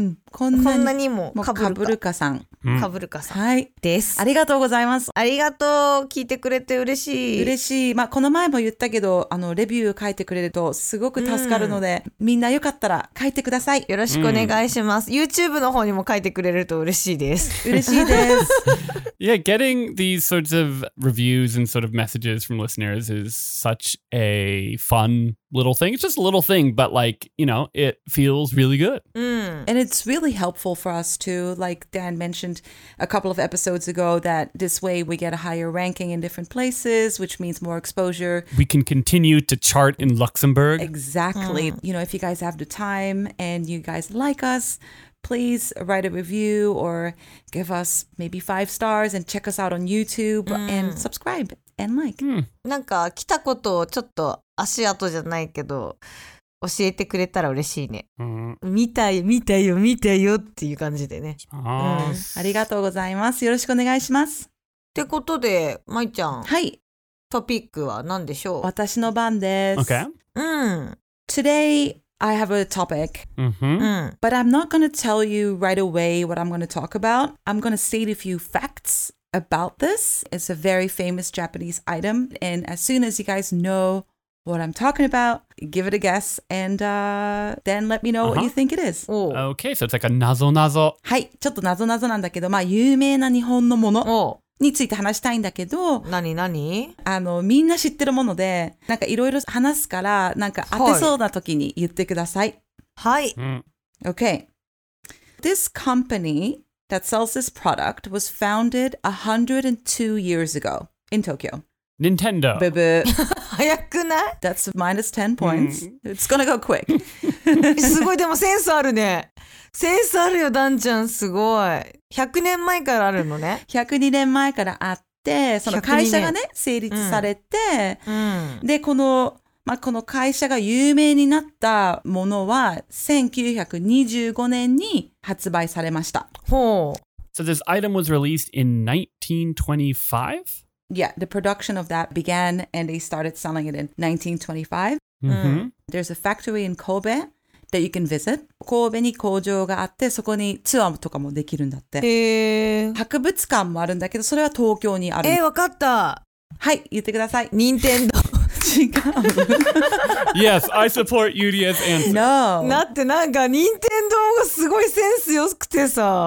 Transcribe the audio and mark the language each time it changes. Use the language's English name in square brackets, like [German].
[Japanese] こんなにも被るかさん。被るかさん。はい。です。ありがとうございます。ありがとう。聞いてくれて嬉しい。嬉しい。まあ、この前も言ったけど、レビュー書いてくれるとすごく助かるので、みんなよかったら書いてください。よろしくお願いします。 YouTube の方にも書いてくれると嬉しいです。嬉しいです。 [English] Yeah, getting these sorts of reviews and sort of messages from listeners is such a fun little thing. It's just a little thing, but like, you know, it feels really good. And it's really helpful for us too. Like Dan mentioned a couple of episodes ago that this way we get a higher ranking in different places, which means more exposure. We can continue to chart in Luxembourg. Exactly. You know, if you guys have the time and you guys like us, please write a review or give us maybe 5 stars and check us out on YouTube and subscribe and like. [Japanese] なんか来たことをちょっと足跡じゃないけど教えてくれたら嬉しいね、うん、見たよ見たよ見たよっていう感じでね、うん、ありがとうございます。よろしくお願いします。ってことでまいちゃん、はい、トピックは何でしょう。私の番です。 [English] OK、 [Japanese] うん、 [English] Today I have a topic、 mm-hmm. But I'm not going to tell you right away what I'm going to talk about. I'm going to state a few factsAbout this. It's a very famous Japanese item. And as soon as you guys know what I'm talking about, give it a guess and、then let me know、uh-huh. what you think it is. Okay, so it's like a nazo nazo. [Japanese] はい、ちょっと謎謎なんだけど、まあ有名な日本のものについて話したいんだけど、何何？あの、みんな知ってるもので、なんかいろいろ話すから、なんか当てそうな時に言ってください。はい。 [English] Okay. This company... that sells this product was founded 102 years ago in Tokyo. Nintendo. Boo-boo. [Japanese] 早くない? [English] That's minus 10 points.、Mm. It's gonna go quick. [Japanese] すごい、でもセンスあるね。センスあるよ、ダンちゃん。すごい。100年前からあるのね。 102年前からあって、その会社がね、成立されて、うん、で、この、まあ、この会社が有名になったものは1925年に発売されました。ほう。 [English] So this item was released in 1925? Yeah, the production of that began and they started selling it in 1925. Mm-hmm. There's a factory in Kobe that you can visit. [Japanese] 神戸に工場があってそこにツアーとかもできるんだって。へえ。博物館もあるんだけどそれは東京にある。わかった。はい、言ってください。任天堂。 [English] Yes, I support Yuria's answer. No. [Japanese] だってなんか任天堂がすごいセンス良くてさ。